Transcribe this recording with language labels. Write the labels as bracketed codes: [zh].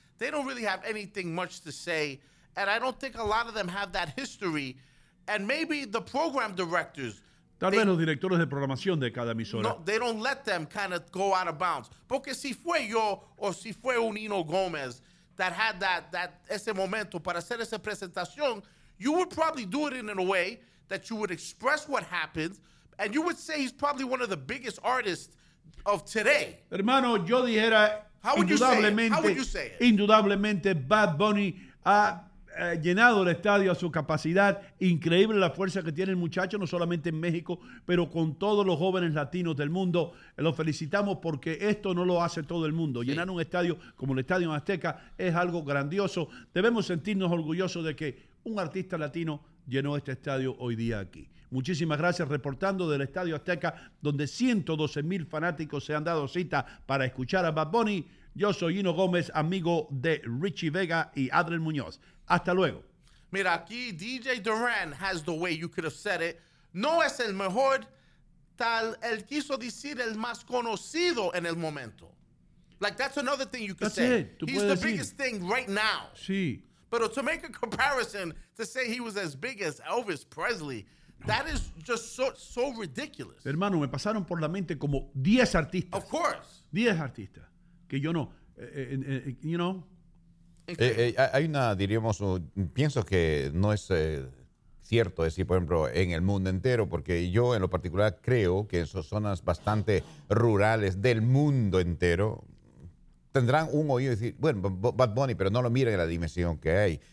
[en] They don't really have anything much to say. And I don't think a lot of them have that history. And maybe the program directors. [es] Tal vez los directores de programación de cada emisora. [en] No, they don't let them kind of go out of bounds. [es] Porque si fue yo o si fue un Hino Gómez, [en] that had that [es] ese momento para hacer esa presentación, [en] you would probably do it in a way that you would express what happened, and you would say he's probably one of the biggest artists of today. [es] Hermano, yo dijera, [en] how would you say it? How would you say it? [es] Indudablemente, Bad Bunny ha llenado el estadio a su capacidad. Increíble la fuerza que tiene el muchacho, no solamente en México, pero con todos los jóvenes latinos del mundo. Lo felicitamos porque esto no lo hace todo el mundo. Sí. Llenar un estadio como el Estadio Azteca es algo grandioso. Debemos sentirnos orgullosos de que un artista latino llenó este estadio hoy día aquí. Muchísimas gracias. Reportando del Estadio Azteca, donde 112,000 fanáticos se han dado cita para escuchar a Bad Bunny. Yo soy Hino Gómez, amigo de Richie Vega y Adriel Muñoz. Hasta luego. Mira, aquí [en] DJ Duran has the way you could have said it. [es] No es el mejor, tal, él quiso decir el más conocido en el momento. [en] Like, that's another thing you could say. It. He's the biggest thing right now. [es] Sí. [en] But to make a comparison, to say he was as big as Elvis Presley, that is just so ridiculous. [es] Hermano, me pasaron por la mente como 10 artistas. [en] Of course. [es] 10 artistas. Que yo no, [en] you know. [es] Hay una, diríamos, pienso que no es cierto decir, por ejemplo, en el mundo entero, porque yo en lo particular creo que en esas zonas bastante rurales del mundo entero tendrán un oído y decir, bueno, Bad Bunny, pero no lo miren en la dimensión que hay.